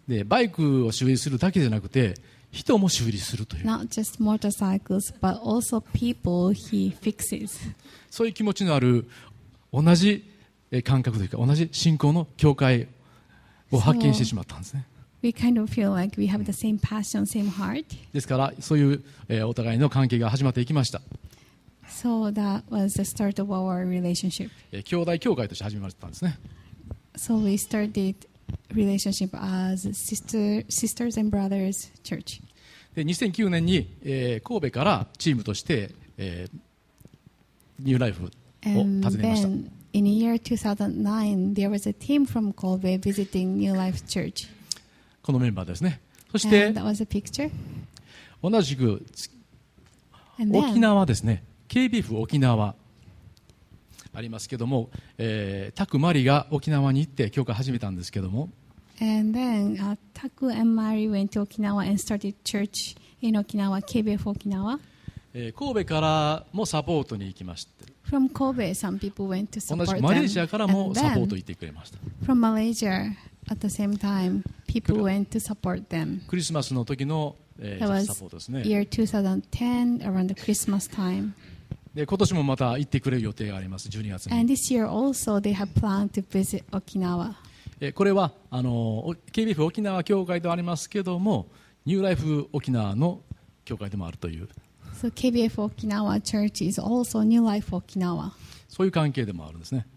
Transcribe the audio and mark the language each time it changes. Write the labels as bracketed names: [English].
[Japanese] で、バイクを修理するだけじゃなくて、人も修理するという。 [English] Not just motorcycles, but also people he fixes. [Japanese] そういう気持ちのある同じ感覚というか同じ信仰の教会を発見してしまったんですね。 [English] We kind of feel like we have the same passion, same heart. [Japanese] ですからそういう、お互いの関係が始まっていきました。 [English] So that was the start of our relationship. [Japanese] 兄弟教会として始まったんですね。 [English] So we started relationship as sisters and brothers church. [Japanese] で2009年に、神戸からチームとして、ニューライフを訪ねました。 [English] And then in year 2009, there was a team from Kobe visiting New Life Church. [Japanese] このメンバーですね。そして同じく沖縄ですね。 KBF 沖縄ありますけども、タクマリが沖縄に行って教会始めたんですけども。 [English] And then タク [Japanese] と [English] マリ went to 沖縄 and started church in 沖縄 KBF 沖縄。 [Japanese] 神戸からもサポートに行きました。 [English] From Kobe, some people went to support them. [Japanese] 同じくマレーシアからもサポート行ってくれました。 [English] From Malaysia. At the same time, people went to support them. [Japanese] クリスマスの時の、サポートですね。 [English] Year 2010, around the Christmas time. [Japanese] で今年もまた行ってくれる予定があります。 12月に。 [English] And this year also they have planned to visit Okinawa. [Japanese] これはKBF 沖縄教会でありますけども、ニューライフ沖縄の教会でもあるという。 [English] So KBF Okinawa Church is also New Life Okinawa. [Japanese] そういう関係でもあるんですね。